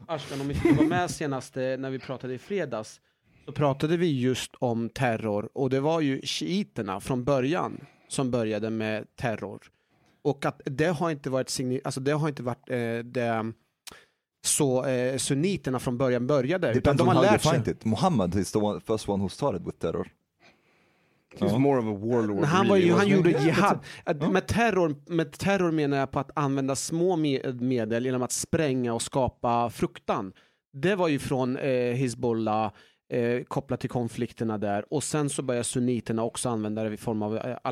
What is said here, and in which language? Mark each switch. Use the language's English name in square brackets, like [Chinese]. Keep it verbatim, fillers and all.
[Swedish] Ashkan, om vi skulle vara med senast när vi pratade i fredags så pratade vi just om terror. Och det var ju shiiterna från början som började med terror. Och att det har inte varit signi- alltså det har inte varit eh, det, så eh, sunniterna från början började. [English] Depends on how you find it. Muhammad is the one, first one who started with terror. He was more of a warlord. [Swedish] Han, var ju, han gjorde jihad. Med terror, med terror menar jag på att använda små medel genom att spränga och skapa fruktan. Det var ju från eh, Hizbollah eh, kopplat till konflikterna där. Och sen så började sunniterna också använda det i form av eh, al-Qaida.